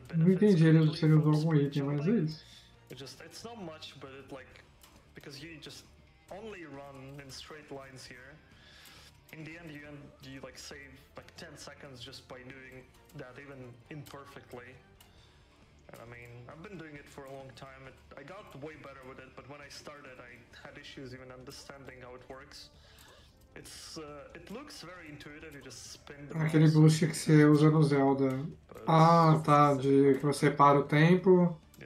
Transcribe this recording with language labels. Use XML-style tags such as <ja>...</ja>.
<pt>Não entendi, ele se ele usou algum item, mas é isso.</pt> <en>It's not much, but it like because you just only run in straight lines here. In the end you like save like 10 seconds just by doing that even imperfectly. And I mean, I've been doing it for a long time. I got way better with it, but when I started I had issues even understanding how it works. It looks very intuitive, you just spin the</en> <pt>aquele boost que você usa no Zelda. Ah, tá, de que você para o tempo.</pt>